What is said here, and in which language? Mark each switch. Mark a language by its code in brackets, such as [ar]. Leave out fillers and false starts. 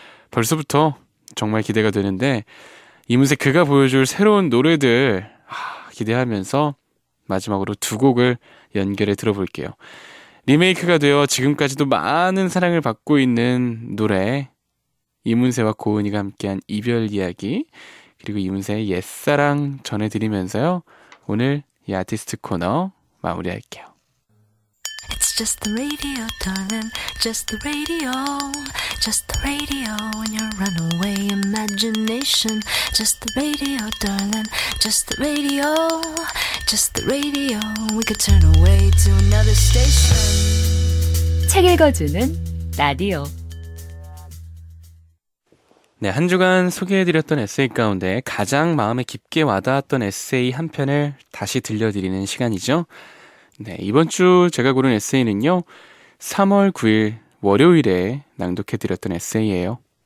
[ko] 벌써부터 정말 기대가 되는데, 이문세 그가 보여줄 새로운 노래들 기대하면서 마지막으로 두 곡을 연결해 들어볼게요. 리메이크가 되어 지금까지도 많은 사랑을 받고 있는 노래, 이문세와 고은이가 함께한 이별 이야기, 그리고 이문세의 옛사랑 전해드리면서요, 오늘 이 아티스트 코너 마무리할게요. [en] It's just the radio, darling. Just the radio. Just the radio and your runaway imagination. Just the radio, darling. Just the radio. Just the radio. We could turn away to another station. [ko] 책 읽어주는 라디오. 네, 한 주간 소개해드렸던 에세이 가운데 가장 마음에 깊게 와닿았던 에세이 한 편을 다시 들려드리는 시간이죠. 네, 이번 주 제가 고른 에세이는요, 3월 9일 월요일에 낭독해드렸던 에세이예요.